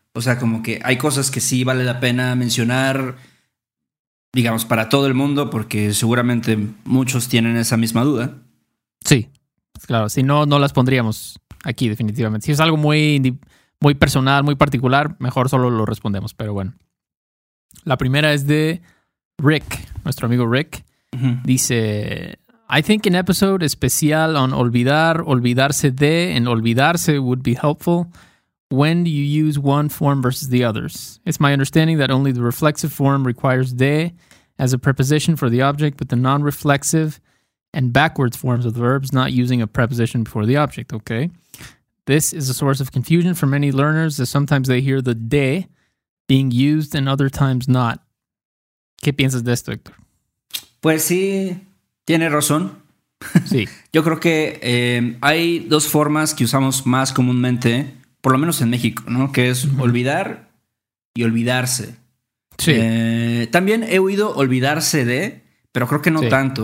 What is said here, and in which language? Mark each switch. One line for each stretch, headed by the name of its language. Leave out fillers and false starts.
Spanish: O sea, como que hay cosas que sí vale la pena mencionar, digamos, para todo el mundo, porque seguramente muchos tienen esa misma duda. Sí, claro. Si no, no las pondríamos aquí definitivamente. Si es algo muy, muy personal, muy particular, mejor solo lo respondemos. Pero bueno. La primera es de Rick, nuestro amigo Rick. Uh-huh. Dice,
English: I think an episode especial on olvidar, olvidarse de, and olvidarse would be helpful. When do you use one form versus the others? It's my understanding that only the reflexive form requires de as a preposition for the object, but the non-reflexive and backwards forms of the verbs not using a preposition before the object, okay? This is a source of confusion for many learners, as sometimes they hear the de being used and other times not.
Spanish: ¿Qué piensas de esto, Héctor? Pues sí, tiene razón. Sí. Yo creo que hay dos formas que usamos más comúnmente, por lo menos en México, ¿no? Que es olvidar y olvidarse. Sí. También he oído olvidarse de, pero creo que no tanto.